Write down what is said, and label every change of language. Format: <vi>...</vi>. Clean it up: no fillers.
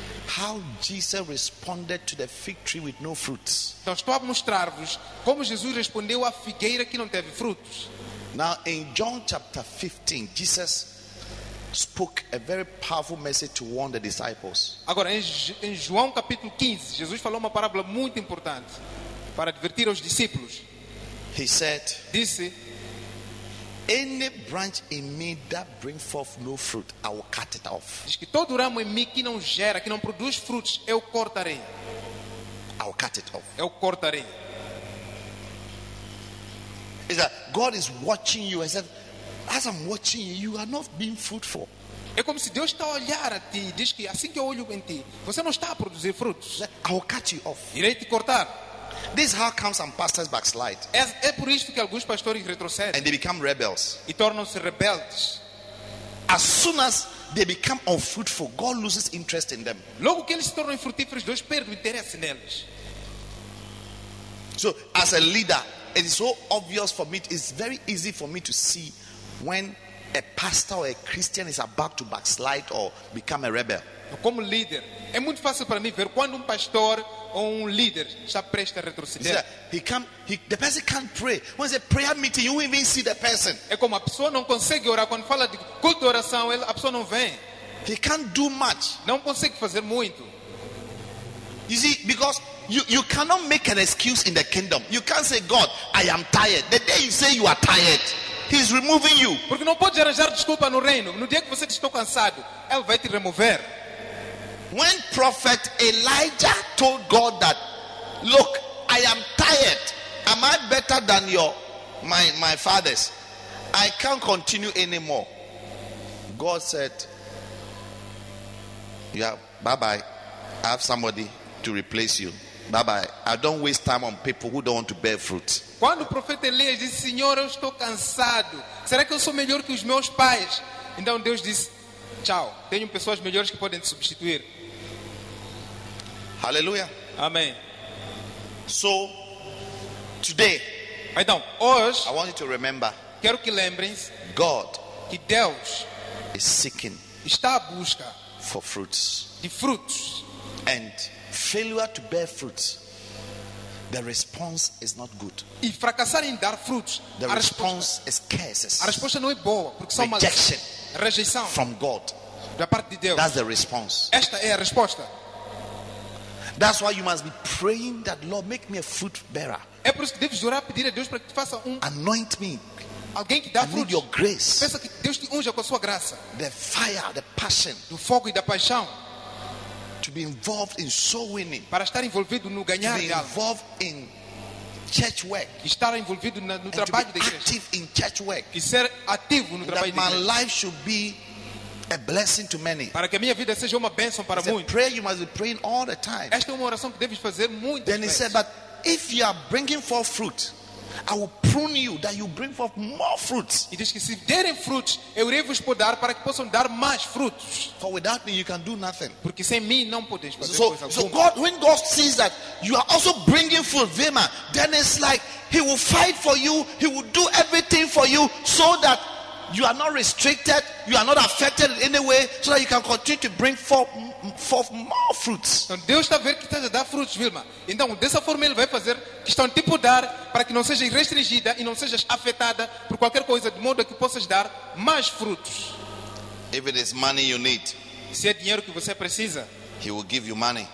<en>How Jesus responded to the fig tree with no fruits.</en> <pt>Então estou a mostrar-vos como Jesus respondeu à figueira que não teve frutos.</pt> <en>Now in John chapter 15, Jesus spoke a very powerful message to warn the disciples.</en> <pt>Agora em João capítulo 15, Jesus falou uma parábola muito importante para advertir aos discípulos.</pt> <en>He said,</en> <pt>disse,</pt> <en>any branch in me that bring forth no fruit, I will cut it off.</en> <pt>Diz que todo ramo em mim que não gera, que não produz frutos, eu cortarei.</pt> <en>I will cut it off.</en> <pt>Eu cortarei.</pt> <en>Is that God is watching you? I said, as I'm watching you, you are not being fruitful.</en> <pt>É como se Deus está a olhar a ti e diz que assim que eu olho em ti, você não está a produzir frutos.</pt> <en>I will cut you off.</en> <pt>Irei te cortar.</pt> <en>This is how come some pastors backslide.</en> <pt>É por isso que alguns pastores retrocedem.</pt> <en>And they become rebels.</en> <pt>E tornam-se rebeldes.</pt> <en>As soon as they become unfruitful, God loses interest in them.</en> <pt>Logo que eles se tornam infrutíferos, Deus perde o interesse neles.</pt> <en>So, as a leader, it is so obvious for me. It's very easy for me to see when a pastor or a Christian is about to backslide or become a rebel.</en> <pt>Como líder, é muito fácil para mim ver quando pastor ou líder está prestes a retroceder.</pt> <en>The person can't pray. When there's a prayer meeting, you won't even see the person.</en> <pt>É como a pessoa não consegue orar quando fala de culto de oração, a pessoa não vem.</pt> <en>He can't do much.</en> <pt>Não consegue fazer muito.</pt> <en>You see, because you cannot make an excuse in the kingdom. You can't say, God, I am tired. The day you say you are tired, He's removing you.</en> <pt>Porque não pode arranjar desculpa no reino. No dia que você está cansado, Ele vai te remover.</pt> <en>When prophet Elijah told God that, look, I am tired. Am I better than my fathers? I can't continue anymore. God said, yeah, bye-bye. I have somebody to replace you. Bye-bye. I don't waste time on people who don't want to bear fruit.</en> <pt>Quando o profeta Elias disse, Senhor, eu estou cansado. Será que eu sou melhor que os meus pais? Então Deus disse, tchau. Tenho pessoas melhores que podem te substituir. Hallelujah. Amen.</pt> <en>So today,</en> <pt>então, hoje,</pt> <en>I want you to remember.</en> <pt>Quero que lembres,</pt> <en>God,</en> <pt>que Deus</pt> <en>is seeking,</en> <pt>está à busca</pt> <en>for fruits.</en> <pt>De frutos.</pt> <en>And failure to bear fruits, the response is not good.</en> <pt>E fracassar em dar frutos,</pt> <en>the response is curses.</en> <pt>A resposta não é boa, porque são</pt> <en>rejection,</en> <pt>rejeição</pt> <en>from God.</en> <pt>Da parte de Deus.</pt> <en>That's the response.</en> <pt>Esta é a resposta.</pt> <en>That's why you must be praying that Lord make me a fruit bearer.</en> <pt>É por isso que deves orar pedir a Deus para que te faça</pt> <en>anoint me.</en> <pt>Alguém que dá fruto.</pt> <en>I need your grace.</en> <pt>Pensa que Deus te unja com a sua graça.</pt> <en>The fire, the passion.</en> <pt>Do fogo e da paixão.</pt> <en>to be involved in soul winning.</en> <pt>Para estar envolvido no ganhar.</pt> <en>To be involved in church work.</en> <pt>Estar envolvido no trabalho da igreja.</pt> <en>To be active in church work.</en> <pt>E ser ativo no trabalho da igreja.</pt> <en>My life should be a blessing to many.</en> <pt>Para que a minha vida seja uma bênção para muitos.</pt> <en>It's a prayer you must be praying all the time.</en> <pt>Esta é uma oração que deves fazer muito.</pt> <en>Then he said, but if you are bringing forth fruit, I will prune you that you bring forth more fruits.</en> <pt>E diz que se derem frutos, eu irei vos podar para que possam dar mais frutos.</pt> <en>For without me, you can do nothing.</en> <pt>Porque sem mim não podes fazer coisa alguma.</pt> <en>So God, when God sees that you are also bringing forth vima, then it's like He will fight for you. He will do everything for you so that you are not restricted. You are not affected in any way, so that you can continue to bring forth more fruits.</en> <pt>Então Deus está a ver que estás a dar frutos, Vilma. Então dessa forma Ele vai fazer que estão tipo dar para que não sejas restringida e não sejas afetada por qualquer coisa, de modo que possas dar mais frutos.</pt> <en>If it is money you need,</en> <pt>se é dinheiro que você precisa,</pt> <en>He will give you money.</en>